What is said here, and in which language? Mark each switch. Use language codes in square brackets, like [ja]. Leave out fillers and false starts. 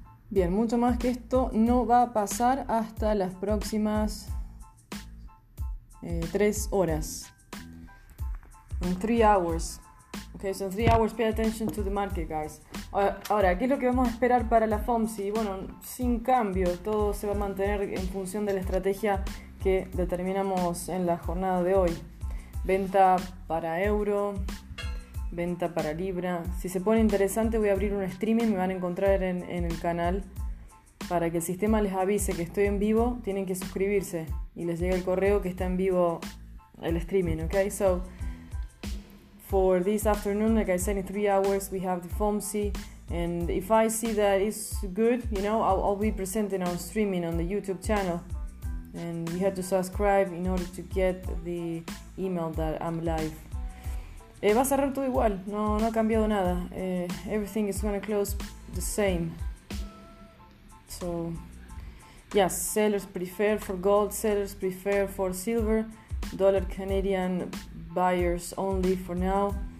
[es] Bien, mucho más que esto no va a pasar hasta las próximas 3 horas. [en] En 3 hours. Okay, so 3 hours, pay attention to the market, guys. [es] Ahora, ¿qué es lo que vamos a esperar para la FOMC? Bueno, sin cambio, todo se va a mantener en función de la estrategia que determinamos en la jornada de hoy. Venta para euro, venta para libra. Si se pone interesante, voy a abrir un streaming, me van a encontrar en el canal para que el sistema les avise que estoy en vivo. Tienen que suscribirse y les llega el correo que está en vivo el streaming, ¿ok? [en] So, for this afternoon, like I said, in 3 hours, we have the FOMC. And if I see that it's good, you know, I'll be presenting on streaming on the YouTube channel. And you have to subscribe in order to get the email that I'm live. [es] Va a cerrar todo igual, no ha cambiado nada. [en] Everything is going to close the same. So, yes, sellers prefer for gold, sellers prefer for silver. Dollar Canadian buyers only for now.